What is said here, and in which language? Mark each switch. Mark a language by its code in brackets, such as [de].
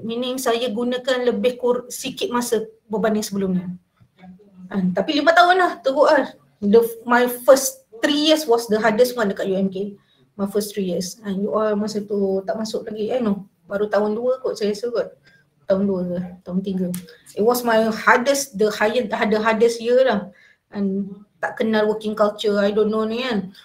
[ms] Meaning saya gunakan lebih sikit masa berbanding sebelumnya. Tapi 5 tahun lah, teruk lah. [en] My first 3 years was the hardest one [ms] dekat UMK. [en] My first 3 years. And you all [ms] masa tu tak masuk lagi. Baru tahun 2 kot saya rasa kot. Tahun 2 ke, tahun 3. [en] It was my hardest, the hardest year lah. And [ms] tak kenal [en] working culture, I don't know [ms] ni kan.